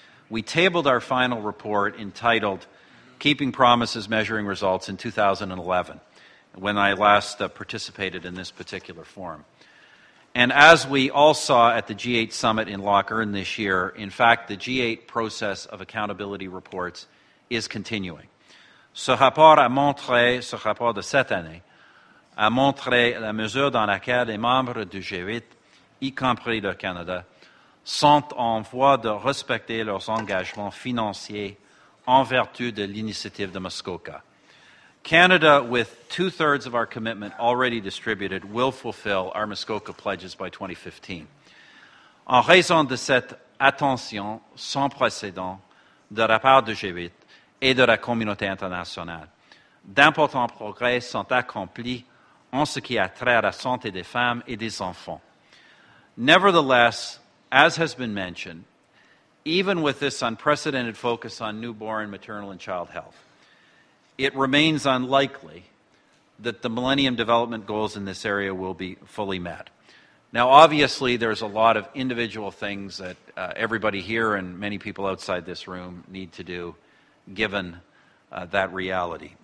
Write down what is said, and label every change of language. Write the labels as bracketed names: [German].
[English] We tabled our final report entitled Keeping Promises, Measuring Results in 2011, when I last participated in this particular forum. And as we all saw at the G8 summit in Lockerne this year, in fact, the G8 process of accountability reports is continuing. [French] Ce rapport a montré, ce rapport de cette année, a montré la mesure dans laquelle les membres du G8, y compris le Canada, sont en voie de respecter leurs engagements financiers en vertu de l'initiative de Muskoka. [English] Canada, with 2/3 of our commitment already distributed, will fulfill our Muskoka pledges by 2015. [French] En raison de cette attention sans précédent de la part du G8 et de la communauté internationale, d'importants progrès sont accomplis en ce qui a trait à la santé des femmes et des enfants. [English] Nevertheless, as has been mentioned, even with this unprecedented focus on newborn, maternal, and child health, it remains unlikely that the Millennium Development Goals in this area will be fully met. Now, obviously, there's a lot of individual things that everybody here and many people outside this room need to do, given that reality.